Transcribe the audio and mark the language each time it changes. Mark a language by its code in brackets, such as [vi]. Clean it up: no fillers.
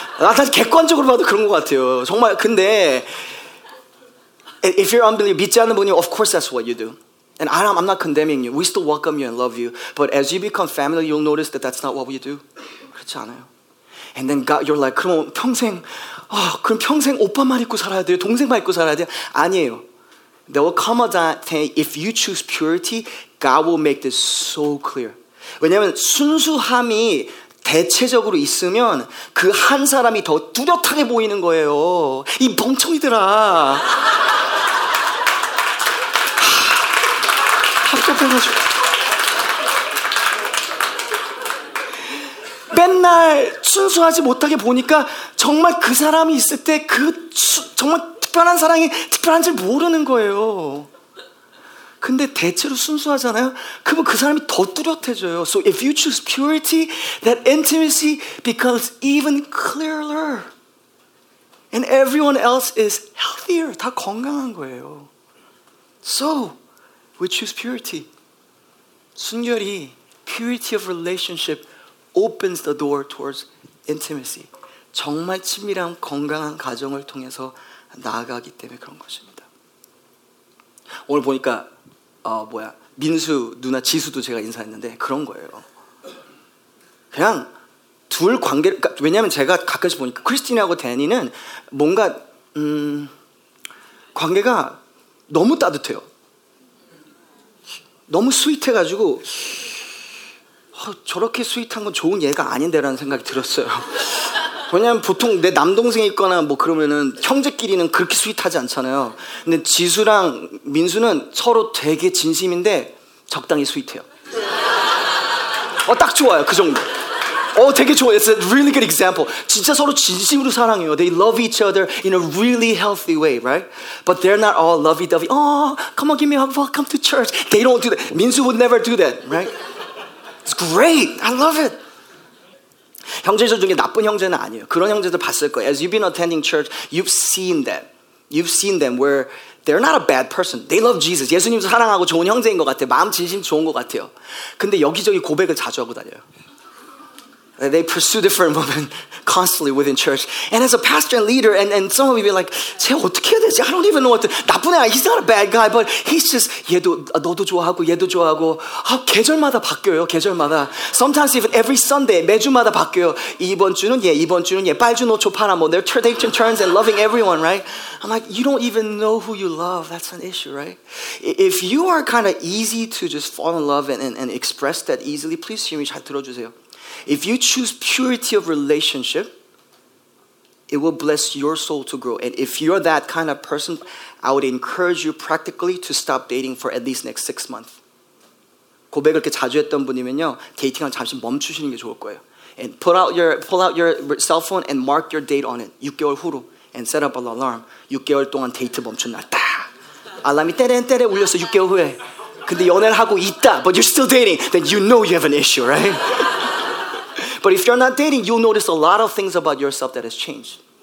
[ko] 나 사실 객관적으로 봐도 그런 것 같아요. 정말, 근데, [en] if you're unbelieving, [ko] 믿지 않는 분이, [en] of course that's what you do. And I'm not condemning you. We still welcome you and love you. But as you become family, you'll notice that that's not what we do. [ko] 그렇지 않아요. [en] And then God, you're like, [ko] 그럼 평생, 어, 그럼 평생 오빠만 입고 살아야 돼요? 동생만 입고 살아야 돼요? 아니에요. [en] There will come a time, if you choose purity, God will make this so clear. [ko] 왜냐하면 순수함이 대체적으로 있으면 그 한 사람이 더 뚜렷하게 보이는 거예요. 이 멍청이들아. 맨날 순수하지 못하게 보니까 정말 그 사람이 있을 때 그 정말 특별한 사랑이 특별한 줄 모르는 거예요. 근데 대체로 순수하잖아요. 그러면 그 사람이 더 뚜렷해져요. [en] So if you choose purity, that intimacy becomes even clearer. And everyone else is healthier. [ko] 다 건강한 거예요. [en] So we choose purity. [ko] 순결이, [en] purity of relationship opens the door towards intimacy. [ko] 정말 친밀한 건강한 가정을 통해서 나아가기 때문에 그런 것입니다. 오늘 보니까 민수 누나 지수도 제가 인사했는데 그런 거예요. 그냥 둘 관계를, 그러니까 왜냐하면 제가 가끔씩 보니까 크리스틴하고 데니는 뭔가 관계가 너무 따뜻해요. 너무 스윗해가지고 저렇게 스윗한 건 좋은 얘가 아닌데라는 생각이 들었어요. 왜냐면 보통 내 남동생이 있거나 뭐 그러면은 형제끼리는 그렇게 스윗하지 않잖아요. 근데 지수랑 민수는 서로 되게 진심인데 적당히 스윗해요. 어, 딱 좋아요. 그 정도. 어, 되게 좋아요. [en] It's a really good example. [ko] 진짜 서로 진심으로 사랑해요. [en] They love each other in a really healthy way, right? But they're not all lovey-dovey. Oh, come on, give me a hug. Welcome to church. They don't do that. Minsu would never do that, right? It's great. I love it. [ko] 형제들 중에 나쁜 형제는 아니에요. 그런 형제들 봤을 거예요. [en] As you've been attending church, you've seen them. You've seen them where they're not a bad person. They love Jesus. [ko] 예수님도 사랑하고 좋은 형제인 것 같아요. 마음 진심 좋은 것 같아요. 근데 여기저기 고백을 자주 하고 다녀요. [en] They pursue different women constantly within church. And as a pastor and leader, and some of you be like, [ko] 쟤 어떻게 해야 되지? [en] I don't even know what to do. [ko] 나쁜 애야. [en] He's not a bad guy, but he's just, [ko] 얘도, 너도 좋아하고, 얘도 좋아하고. 아, 계절마다 바뀌어요, 계절마다. [en] Sometimes even every Sunday, [ko] 매주마다 바뀌어요. 이번 주는 얘, 이번 주는 얘. 빨주노, 초파나, 뭐. [en] They're taking turns and loving everyone, right? I'm like, you don't even know who you love. That's an issue, right? If you are kind of easy to just fall in love and express that easily, please hear me. [ko] 잘 들어주세요. [en] If you choose purity of relationship, it will bless your soul to grow. And if you're that kind of person, I would encourage you practically to stop dating for at least next 6 months. [ko] 고백을 이렇게 자주 했던 분이면요, 데이팅을 잠시 멈추시는 게 좋을 거예요. [en] And pull out your cell phone and mark your date on it. [ko] 6개월 후로. [en] And set up an alarm. [ko] 6개월 동안 데이트 멈춘 날. 딱. 알람이 때래 울렸어, 6개월 후에. 근데 연애를 하고 있다. [en] But you're still dating. Then you know you have an issue, right? But if you're not dating, you'll notice a lot of things about yourself that has changed.